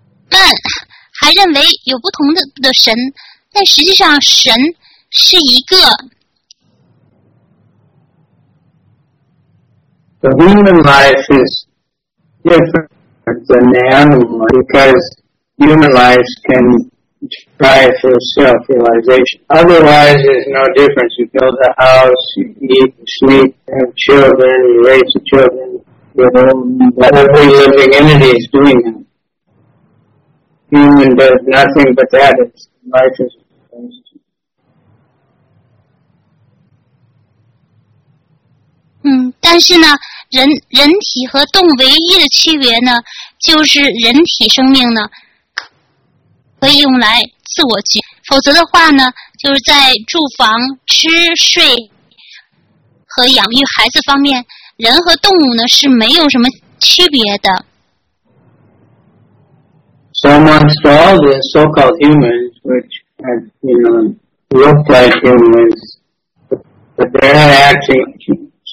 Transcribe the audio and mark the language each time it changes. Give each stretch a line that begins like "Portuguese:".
English: But
Chinese: 还认为有不同 的神，但实际上神是一个。
English: The human life is different than the animal because human life can strive for self-realization. Otherwise, there's no difference. You build a house, you eat, you sleep, you have children, you raise the children, every living entity is doing that. Human does nothing but that. It's life is supposed to.
Chinese: 但是呢，人体和动物唯一的区别呢，就是人体生命呢，可以用来自我觉，否则的话呢，就是在住房、吃、睡和养育孩子方面，人和动物呢是没有什么区别的。
English: So amongst all the so-called humans, which have, you know, look like humans, but they're actually humans.